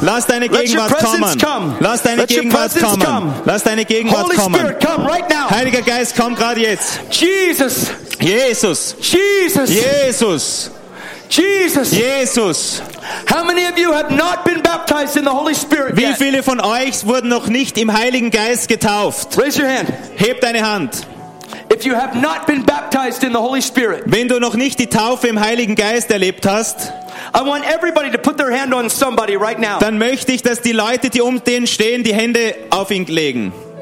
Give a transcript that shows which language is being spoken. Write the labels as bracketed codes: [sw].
[de] Lass deine Gegenwart kommen. Lass deine Gegenwart kommen. Lass deine Gegenwart kommen. [en] Holy Spirit, come right now. [de] Heiliger Geist, komm gerade jetzt. Jesus. Jesus. Jesus. Jesus. Jesus. Jesus. [en] How many of you have not been baptized in the Holy Spirit [de] yet? Wie viele von euch wurden noch nicht im Heiligen Geist getauft? [en] Raise your hand. [de] Heb deine Hand. [en] If you have not been baptized in the Holy Spirit. [de] Wenn du noch nicht die Taufe im Heiligen Geist erlebt hast. [en] I want everybody to put their hand on somebody right now. [de] Dann möchte ich, dass die Leute, die um den stehen, die Hände auf ihn legen.